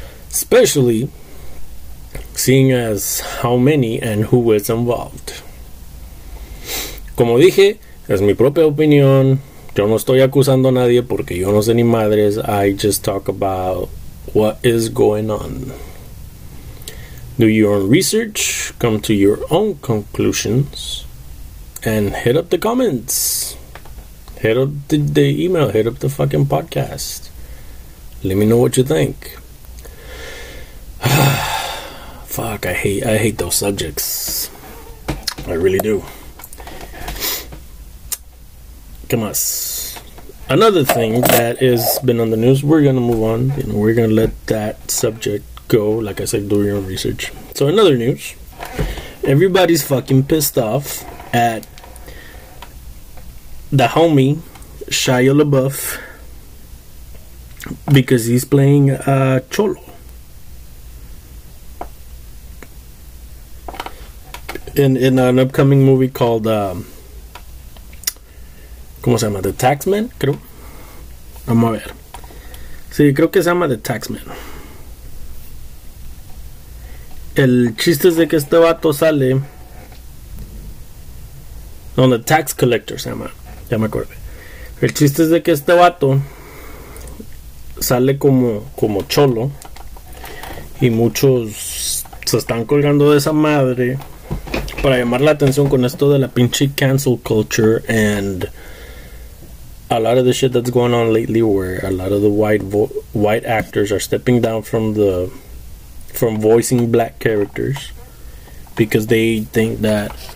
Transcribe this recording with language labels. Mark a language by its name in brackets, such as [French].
[English] Especially seeing as how many and who is involved. [Spanish] Como dije, es mi propia opinión. Yo no estoy acusando a nadie porque yo no sé ni madres. [English] I just talk about what is going on. Do your own research, come to your own conclusions, and hit up the comments. Hit up the email, hit up the fucking podcast. Let me know what you think. Fuck, I hate those subjects. I really do. [Spanish] ¿Qué más? [English] Another thing that has been on the news, we're gonna move on, you know, we're gonna let that subject go. Like I said, do your own research. So another news, everybody's fucking pissed off at the homie Shia LaBeouf because he's playing Cholo. In an upcoming movie called [Spanish] ¿cómo se llama? The Taxman, creo. Vamos a ver. Sí, creo que se llama The Taxman. El chiste es de que este vato sale no, The Tax Collector se llama. Ya me acuerdo. El chiste es de que este vato sale como cholo. Y muchos se están colgando de esa madre para llamar la atención con esto de la pinche [English] cancel culture and a lot of the shit that's going on lately, where a lot of the white actors are stepping down from voicing black characters because they think that